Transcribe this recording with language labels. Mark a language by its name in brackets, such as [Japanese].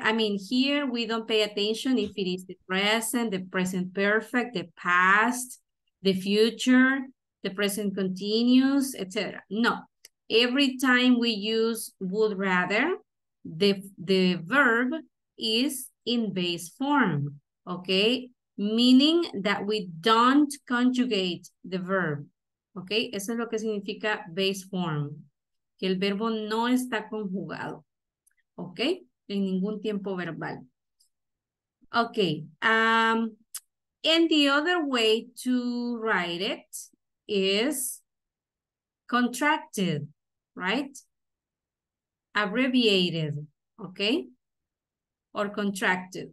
[English] I mean, here we don't pay attention if it is the present, the present perfect, the past, the future, the present continuous, etc. No. Every time we use would rather, the verb is in base form, okay? Meaning that we don't conjugate the verb, okay? [Spanish] Eso es lo que significa base form, que el verbo no está conjugado, okay? En ningún tiempo verbal. [English] Okay, and the other way to write it is contracted, right? Abbreviated, okay? Or contracted.